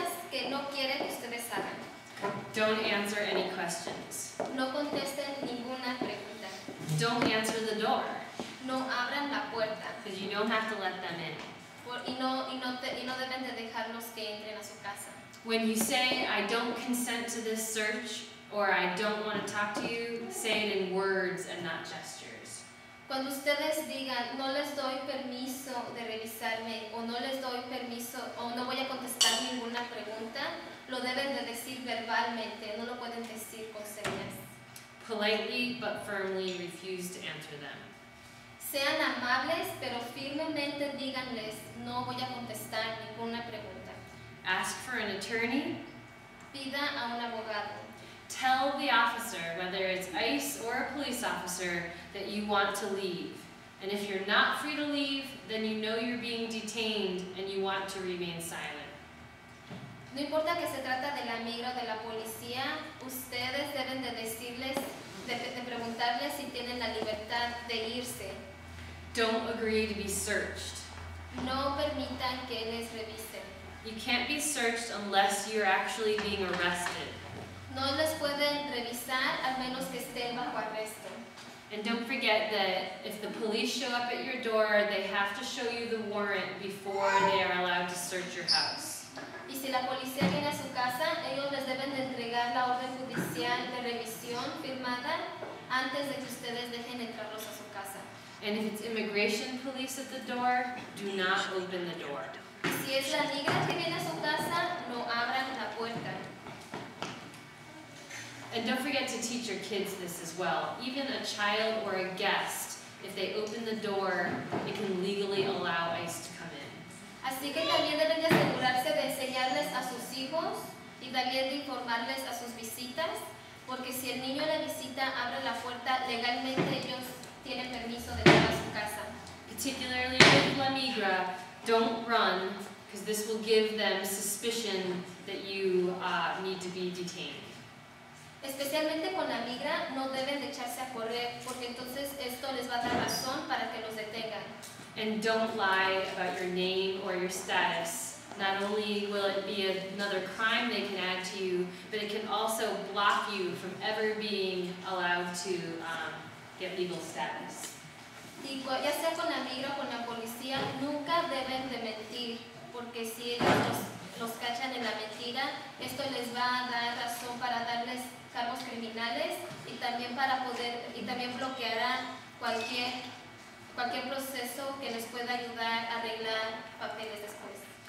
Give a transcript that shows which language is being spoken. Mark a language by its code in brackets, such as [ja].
[es] que no quiere que ustedes hagan. [en] Don't answer any questions. [es] No contesten ninguna pregunta. [en] Don't answer the door. [es] No abran la puerta. [en] Because you don't have to let them in. [es] Y no deben de dejarlos que entren a su casa. [en] When you say, I don't consent to this search, or I don't want to talk to you, say it in words and not gestures. [es] Cuando ustedes digan, no les doy permiso de revisarme, o no les doy permiso, o no voy a contestar ninguna pregunta, lo deben de decir verbalmente, no lo pueden decir con señas. [en] Politely but firmly refuse to answer them. [es] Sean amables, pero firmemente díganles, no voy a contestar ninguna pregunta. [en] Ask for an attorney. [es] Pida a un abogado. [en] Tell the officer, whether it's ICE or a police officer, that you want to leave. And if you're not free to leave, then you know you're being detained and you want to remain silent. [es] No importa que se trata de la migra o de la policía, ustedes deben de decirles, de preguntarles si tienen la libertad de irse. [en] Don't agree to be searched. [es] No permitan que les revisen. [en] You can't be searched unless you're actually being arrested. [es] No les pueden revisar al menos que estén bajo arresto. [en] And don't forget that if the police show up at your door, they have to show you the warrant before they are allowed to search your house. [es] Y si la policía viene a su casa, ellos les deben de entregar la orden judicial de revisión firmada antes de que ustedes dejen entrarlos a su casa. [en] And if it's immigration police at the door, do not open the door. [es] Si es la migra que viene a su casa, no abran la puerta. [en] And don't forget to teach your kids this as well. Even a child or a guest, if they open the door, it can legally allow ICE to come in. [es] Así que también deben de asegurarse de enseñarles a sus hijos y también de informarles a sus visitas, porque si el niño a la visita abre la puerta legalmente, ellos tienen permiso de entrar a su casa. [en] Particularly with la migra, don't run, because this will give them suspicion that you need to be detained. [es] Especialmente con la migra, no deben de echarse a correr, porque entonces esto les va a dar razón para que los detengan. [en] And don't lie about your name or your status. Not only will it be another crime they can add to you, but it can also block you from ever being allowed to get legal status. [es] Y ya sea con la migra o con la policía, nunca deben de mentir, porque si ellos los cachan en la mentira, esto les va a dar razón para darles cargos criminales y también para poder y también bloqueará cualquier proceso que les pueda ayudar a arreglar papeles después.